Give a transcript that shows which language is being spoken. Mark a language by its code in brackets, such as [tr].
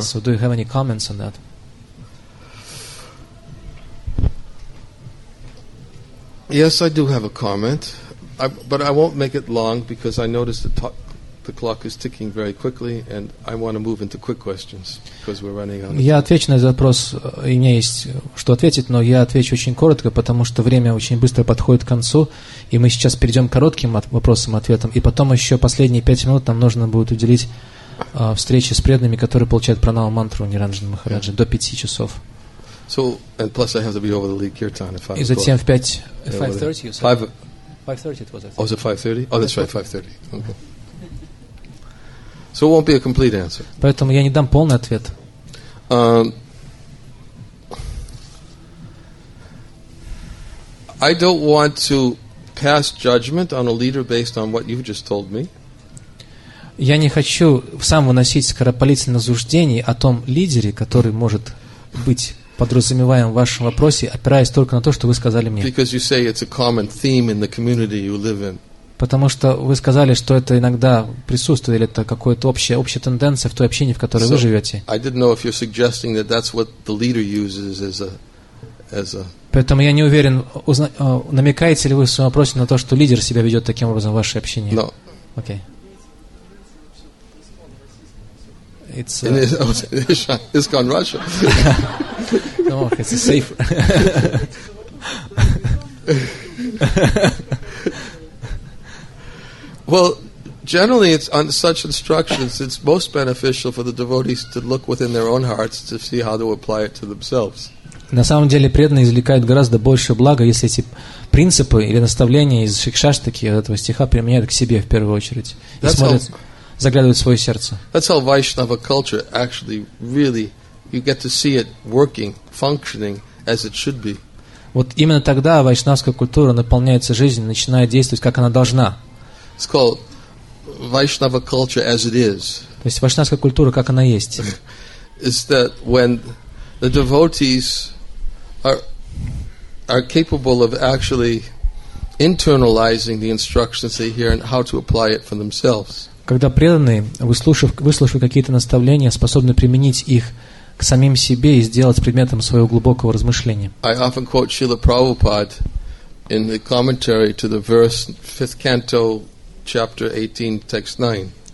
[en] So do you have any comments on that? Yes, I do have a comment, but I won't make it long because I noticed the clock is ticking very quickly, and I want to move into quick questions because we're running out. [ru] Я отвечу на этот вопрос, и мне есть что ответить, но я отвечу очень коротко, потому что время очень быстро подходит к концу, и мы сейчас перейдем к коротким вопросам-ответам, и потом еще последние 5 минут нам нужно будет уделить встрече с преданными, которые получают пранаму мантру Ниранджана Махараджи, до 5 часов. [en] So and plus I have to be over the lead kirtan if I. Is it 5:30? 5:30 it was. Oh, is it 5:30? Oh, that's right, 5:30. Okay. So it won't be a complete answer. [ru] Поэтому я не дам полный ответ. [en] I don't want to pass judgment on a leader based on what you've just told me. [ru] Я не хочу сам выносить скоропалительное суждение о том лидере, который может быть подразумеваем в вашем вопросе, опираясь только на то, что вы сказали мне. [en] Because you say it's a common theme in the community you live in. [ru] Потому что вы сказали, что это иногда присутствует, или это какая-то общая тенденция в той общине, в которой вы живете. [en] I didn't know if you're suggesting that that's what the leader uses as a [ru] Поэтому я не уверен, намекаете ли вы в своем вопросе на то, что лидер себя ведет таким образом в вашей общине? [en] No. Okay. It's gone Russia. No, it's safe. Well, generally, it's on such instructions, it's most beneficial for the devotees to look within their own hearts to see how to apply it to themselves. [ru] На самом деле, преданные извлекают гораздо больше блага, если эти принципы или наставления из Шикшаштаки, этого стиха, применяют к себе в первую очередь. И смотрят, заглядывают в свое сердце. [en] That's how Vaishnava culture actually really, you get to see it working, functioning as it should be. [ru] Вот именно тогда вайшнавская культура наполняется жизнью, начинает действовать, как она должна. [en] It's called Vaishnava culture as it is. [ru] То есть вайшнавская культура, как она есть. [en] Is that when the devotees are capable of actually internalizing the instructions they hear and how to apply it for themselves. [ru] Когда преданные, выслушав какие-то наставления, способны применить их к самим себе и сделать предметом своего глубокого размышления. [en] I often quote Srila Prabhupada in the commentary to the verse, 5th canto, chapter 18, text 9.